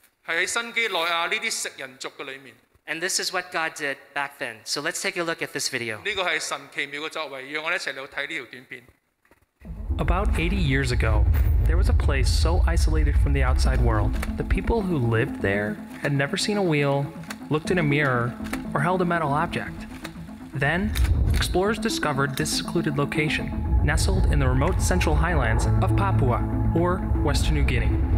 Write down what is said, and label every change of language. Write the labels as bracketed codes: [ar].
[zh] 是在新基内亚这些食人族的里面. [en] And this is what God did back then. So let's take a look at this video. [zh] 这个是神奇妙的作为, 让我们一起来看这条短片. [en] About 80 years ago, there was a place so isolated from the outside world, the people who lived there had never seen a wheel, looked in a mirror, or held a metal object. Then, explorers discovered this secluded location, nestled in the remote central highlands of Papua, or Western New Guinea.